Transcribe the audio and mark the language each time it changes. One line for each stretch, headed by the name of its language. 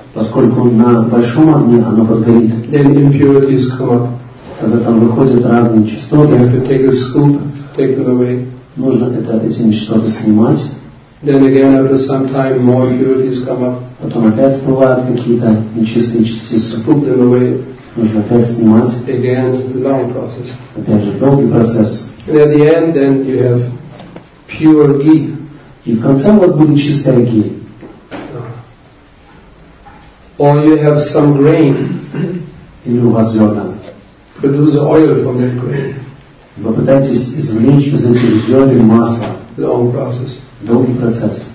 Russian: Поскольку на большом огне оно подгорит,
English: then impurities come up.
Russian: Тогда там выходят разные частоты.
English: You have to take a scoop, take them away.
Russian: Нужно это эти частоты снимать.
English: Then again, after some time, more impurities come up.
Russian: Потом опять всплывают какие-то нечистые частицы.
English: Scoop them away.
Russian: Нужно опять снимать.
English: Again, long process.
Russian: Опять же, долгий процесс.
English: And at the end, then you have pure ghee.
Russian: И в конце у вас будет чистая ги.
English: Or you have some grain.
Russian: Или у вас зерна.
English: Produce oil from that grain.
Russian: Попытайтесь извлечь из этих зерен масло.
English: Long process.
Russian: Долгий процесс.